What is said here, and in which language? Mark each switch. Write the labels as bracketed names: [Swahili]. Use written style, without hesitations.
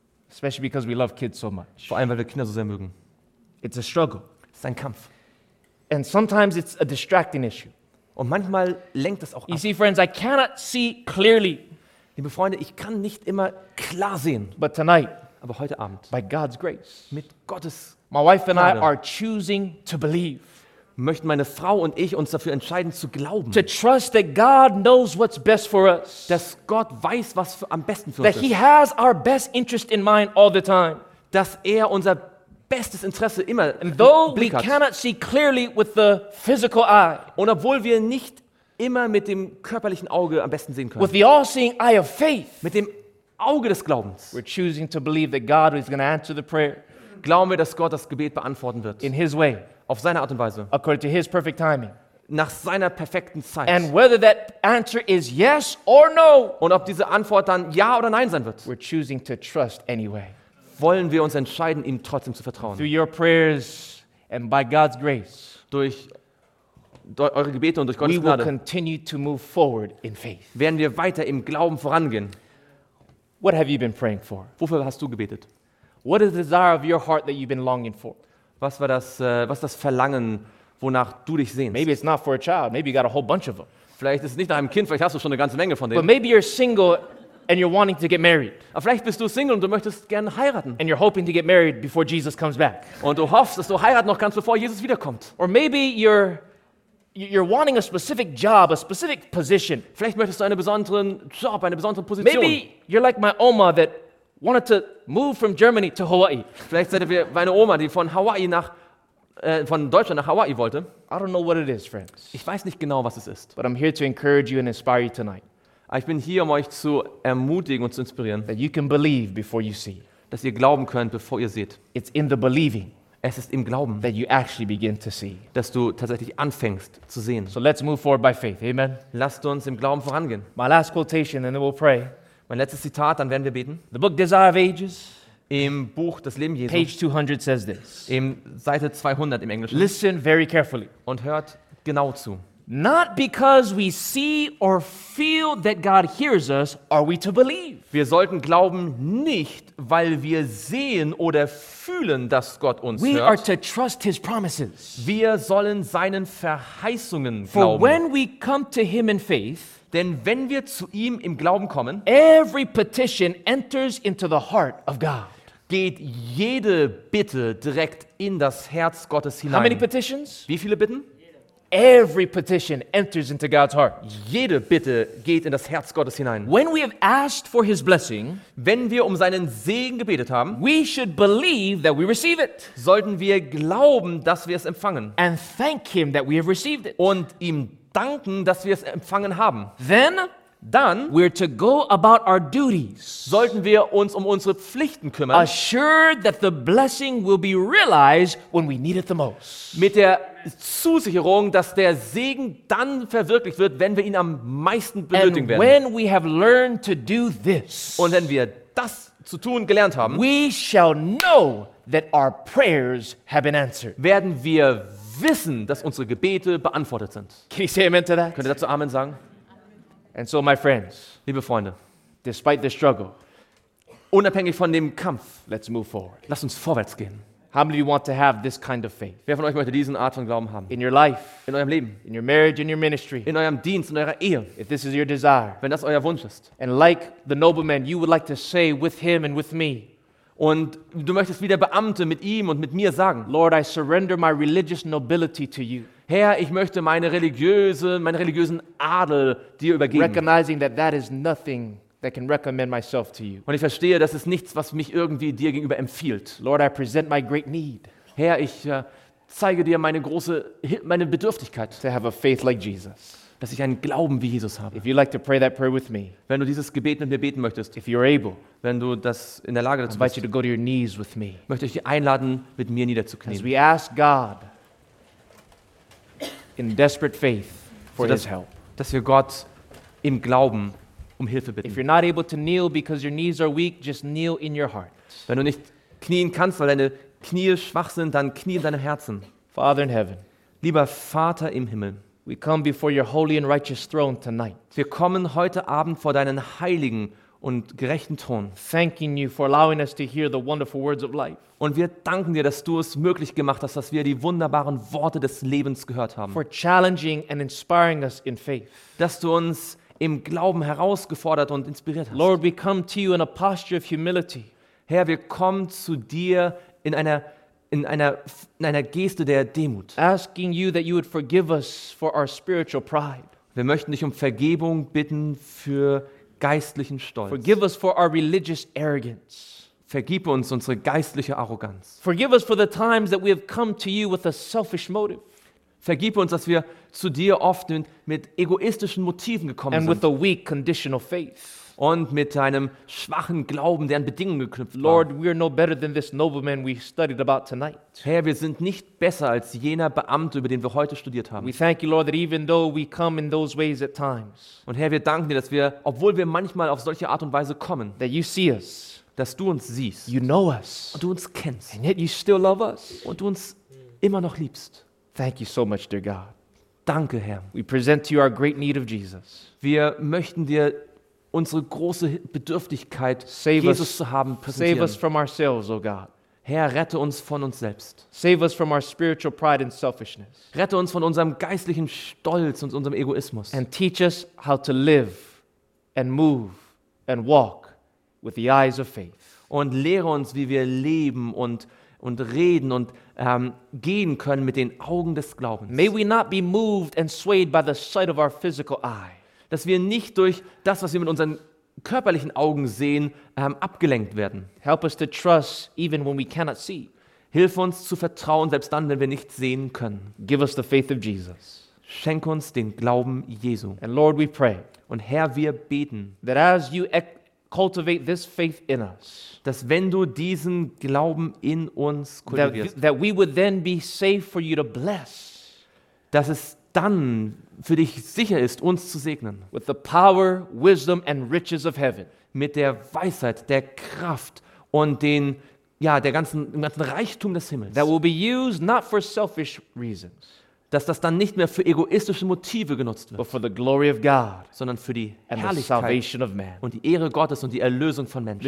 [English] Especially because we love kids so much. [German] Vor allem, weil wir Kinder so sehr mögen. [English] It's a struggle. [German] Es ist ein Kampf. [English] And sometimes it's a distracting issue. [German] Und manchmal lenkt das auch ab. [English] You see, friends, I cannot see clearly. [German] Liebe Freunde, ich kann nicht immer klar sehen. [English] But tonight, [German] aber heute Abend, [English] by God's grace, [German] mit Gottes Gnade, [English] my wife and I are choosing to believe. [German] Möchten meine Frau und ich uns dafür entscheiden, zu glauben. [English] To trust that God knows what's best for us. [German] Dass Gott weiß, was am besten für uns [English] that [German] ist. [English] That he has our best interest in mind all the time. [German] Dass er unser bestes Interesse immer im Blick hat. [English] And though we cannot see clearly with the physical eye. [German] Und obwohl wir nicht immer mit dem körperlichen Auge am besten sehen können. [English] With the all-seeing eye of faith. [German] Mit dem Auge des Glaubens. [English] We're choosing to believe that God is going to answer the prayer. [German] Glauben wir, dass Gott das Gebet beantworten wird. [English] In his way. [German] Auf seine Art und Weise. [English] According to his perfect timing. [German] Nach seiner perfekten Zeit. [English] And whether that answer is yes or no. [German] Und ob diese Antwort dann ja oder nein sein wird. [English] We're choosing to trust anyway. [German] Wollen wir uns entscheiden, ihm trotzdem zu vertrauen. [English] Through your prayers and by God's grace. [German] Durch eure Gebete und durch Gottes [English] we [German] Gnade. [English] Will continue to move forward in faith. [German] Werden wir weiter im Glauben vorangehen. [English] What have you been praying for? [German] Wofür hast du gebetet? [English] What is the desire of your heart that you've been longing for? [German] Was war das, was das Verlangen, wonach du dich sehnst? [English] Maybe it's not for a child. Maybe you got a whole bunch of them. [German] Vielleicht ist es nicht nach einem Kind. Vielleicht hast du schon eine ganze Menge von denen. [English] But maybe you're single and you're wanting to get married. [German] Aber vielleicht bist du single und du möchtest gerne heiraten. [English] And you're hoping to get married before Jesus comes back. [German] Und du hoffst, dass du heiraten noch kannst, bevor Jesus wiederkommt. [English] Or maybe you're wanting a specific job, a specific position. [German] Vielleicht möchtest du einen besonderen Job, eine besondere Position. [English] Maybe you're like my Oma that wanted to move from Germany to Hawaii. [German] Vielleicht seid ihr wie meine Oma, die von Hawaii nach von Deutschland nach Hawaii wollte. [English] I don't know what it is, friends. [German] Ich weiß nicht genau, was es ist. [English] But I'm here to encourage you and inspire you tonight. [German] Ich bin hier, um euch zu ermutigen und zu inspirieren. [English] That you can believe before you see. [German] Dass ihr glauben könnt, bevor ihr seht. [English] It's in the believing. [German] Es ist im Glauben, [English] that you actually begin to see. [German] Dass du tatsächlich anfängst zu sehen. [English] So let's move forward by faith. Amen. [German] Lasst uns im Glauben vorangehen. [English] My last quotation, and then we'll pray. [German] Mein letztes Zitat, dann werden wir beten. [English] The book Desire of Ages. [German] Im Buch Das Leben Jesu. [English] Page 200 says this. [German] Im Seite 200 im Englischen. [English] Listen very carefully. [German] Und hört genau zu. [English] Not because we see or feel that God hears us are we to believe. [German] Wir sollten glauben nicht, weil wir sehen oder fühlen, dass Gott uns [English] we [German] hört. [English] We are to trust his promises. [German] Wir sollen seinen Verheißungen [English] For [German] glauben. [English] When we come to him in faith, [German] denn wenn wir zu ihm im Glauben kommen, [English] every petition enters into the heart of God. [German] Geht jede Bitte direkt in das Herz Gottes hinein. [English] How many petitions? [German] Wie viele Bitten? [English] Every petition enters into God's heart. [German] Jede Bitte geht in das Herz Gottes hinein. [English] When we have asked for his blessing, [German] wenn wir um seinen Segen gebetet haben, [English] we should believe that we receive it. [German] Sollten wir glauben, dass wir es empfangen. [English] And thank him that we have received it. [German] Und ihm danken, dass wir es empfangen haben. [English] Then, [German] dann, [English] we're to go about our duties. [German] Sollten wir uns um unsere Pflichten kümmern. [English] Assured that the blessing will be realized when we need it the most. [German] Mit der Zusicherung, dass der Segen dann verwirklicht wird, wenn wir ihn am meisten benötigen werden. [English] And when we have learned to do this, [German] und wenn wir das zu tun gelernt haben, [English] we shall know that our prayers have been answered. [German] Werden wir wissen, dass unsere Gebete beantwortet sind. [English] Can you say amen to that? [German] Könnt ihr dazu Amen sagen? [English] And so, my friends, [German] liebe Freunde, [English] despite the struggle, [German] unabhängig von dem Kampf, [English] let's move forward. [German] Lasst uns vorwärts gehen. [English] How many of you want to have this kind of faith? [German] Wer von euch möchte diesen Art von Glauben haben? [English] In your life, [German] in eurem Leben, [English] in your marriage, in your ministry, [German] in eurem Dienst, in eurer Ehe. [English] If this is your desire, [German] wenn das euer Wunsch ist, [English] and like the nobleman, you would like to say with him and with me. [German] Und du möchtest wie der Beamte mit ihm und mit mir sagen, [English] Lord, I surrender my religious nobility to you. [German] Herr, ich möchte meinen religiösen Adel dir übergeben. [English] Recognizing that that is nothing that can recommend myself to you. [German] Und ich verstehe, das ist nichts, was mich irgendwie dir gegenüber empfiehlt. [English] Lord, I present my great need. [German] Herr, ich zeige dir meine Bedürftigkeit. [English] To have a faith like Jesus. [German] Dass ich einen Glauben wie Jesus habe. [English] If you like to pray that prayer with me, [German] wenn du dieses Gebet mit mir beten möchtest, [English] if you're able, [German] wenn du das in der Lage dazu bist, [English] I invite you to go to your knees with me. [German] Möchte ich dich einladen, mit mir niederzuknien. [English] As we ask God in desperate faith for his help. [German] Dass wir Gott im Glauben um Hilfe bitten. [English] If you're not able to kneel because your knees are weak, just kneel in your heart. [German] Wenn du nicht knien kannst, weil deine Knie schwach sind, dann knie in deinem Herzen. [English] Father in heaven, [German] lieber Vater im Himmel, [English] we come before your holy and righteous throne tonight. [German] Wir kommen heute Abend vor deinen heiligen und gerechten Thron. [English] Thanking you for allowing us to hear the wonderful words of life. [German] Und wir danken dir, dass du es möglich gemacht hast, dass wir die wunderbaren Worte des Lebens gehört haben. [English] For challenging and inspiring us in faith. [German] Dass du uns im Glauben herausgefordert und inspiriert hast. [English] Lord, we come to you in a posture of humility. [German] Herr, wir kommen zu dir in einer Geste der Demut. [English] Asking you that you would forgive us for our spiritual pride. [German] Wir möchten dich um Vergebung bitten für geistlichen Stolz. [English] Forgive us for our religious arrogance. [German] Vergib uns unsere geistliche Arroganz. [English] Forgive us for the times that we have come to you with a selfish motive. [German] Vergib uns, dass wir zu dir oft mit egoistischen Motiven gekommen [English] and [German] sind. [English] And with a weak conditional faith. [German] Und mit einem schwachen Glauben, der an Bedingungen geknüpft war. [English] Lord, we are no better than this nobleman we studied about tonight. [German] Herr, wir sind nicht besser als jener Beamte, über den wir heute studiert haben. [English] We thank you, Lord, that even though we come in those ways at times. [German] Und Herr, wir danken dir, dass wir, obwohl wir manchmal auf solche Art und Weise kommen, [English] that you see us, [German] dass du uns siehst, [English] you know us, [German] und du uns kennst, [English] and yet you still love us, [German] und du uns immer noch liebst. [English] Thank you so much, dear God. [German] Danke, Herr. [English] We present to you our great need of Jesus. [German] Wir möchten dir unsere große Bedürftigkeit, Jesus zu haben, präsentieren. [English] Save us from ourselves, oh God. [German] Herr, rette uns von uns selbst. [English] Save us from our spiritual pride and selfishness. [German] Rette uns von unserem geistlichen Stolz und unserem Egoismus. [English] And teach us how to live and move and walk with the eyes of faith. [German] Und lehre uns, wie wir leben und reden und gehen können mit den Augen des Glaubens. [English] May we not be moved and swayed by the sight of our physical eye. [German] Dass wir nicht durch das, was wir mit unseren körperlichen Augen sehen, abgelenkt werden. [English] Help us to trust even when we cannot see. [German] Hilf uns zu vertrauen, selbst dann, wenn wir nicht sehen können. [English] Give us the faith of Jesus. [German] Schenk uns den Glauben Jesu. [English] And Lord, we pray. [German] Und Herr, wir beten, [English] that as you cultivate this faith in us, [German] dass wenn du diesen Glauben in uns kultivierst, [English] that we would then be safe for you to bless. [German] Dass es dann für dich sicher ist, uns zu segnen. [English] With the power, wisdom and riches of heaven. [German] Mit der Weisheit, der Kraft und den ganzen Reichtum des Himmels. [English] That will be used not for selfish reasons. [German] Dass das dann nicht mehr für egoistische Motive genutzt wird, [English] but for the glory of God, [German] sondern für die Herrlichkeit [English] and the salvation of man. [German] Und die Ehre Gottes und die Erlösung von Menschen.